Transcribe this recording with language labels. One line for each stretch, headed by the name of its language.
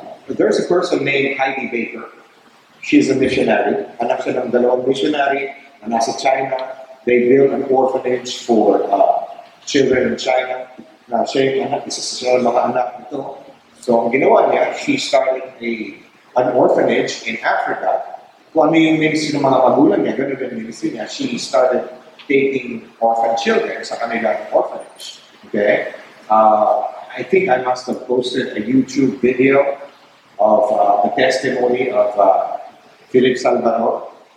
English: There's a person named Heidi Baker. She's a missionary.
Filipino: Anak siya ng dalawang missionary na nasa China.
English: They built an orphanage for children in China.
Filipino: Now, siya yung anak, isa sa mga anak nito.
English: So,
Filipino: ang ginawa niya,
English: she started an orphanage in Africa.
Filipino: Kung ano yung ministry ng mga magulang niya, ganun yung ministry niya,
English: she started taking orphan children
Filipino: sa kanilang orphanage. Okay?
English: I think I must have posted a YouTube video of the testimony of Philip Salvador.